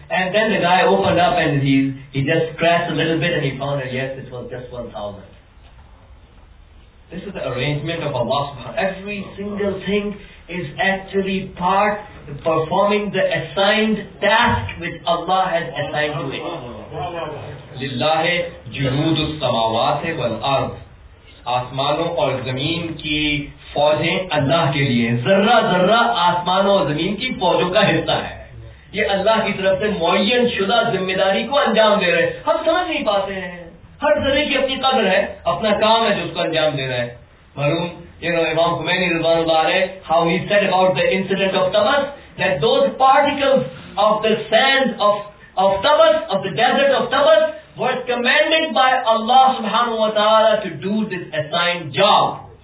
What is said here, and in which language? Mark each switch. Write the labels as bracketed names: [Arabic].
[English] And then the guy opened up and he just scratched a little bit and he found that yes, it was just 1,000. This is the arrangement of Allah subhanahu wa ta'ala. Every single thing is actually part of performing the assigned task which Allah has assigned to it. [Arabic] لِلَّهِ جُنُودُ السَّمَاوَاتِ وَالْأَرْضِ. [Urdu] آسمانوں اور زمین کی فوجیں اللہ کے لیے، ذرہ ذرہ آسمانوں اور زمین کی فوجوں کا حصہ ہے، یہ اللہ کی طرف سے معین شدہ ذمہ داری کو انجام دے رہے ہیں. ہم سمجھ نہیں پاتے ہیں، ہر ذرے کی اپنی قدر ہے، اپنا کام ہے جو اس کو انجام دے رہا ہے. مرحوم امام خمینی رضوان اللہ علیہ، [English] how he said about the incident of Tabas, that those particles of the sand of Tabas, of the desert of Tabas, were commanded by Allah subhanahu wa ta'ala to do this assigned job.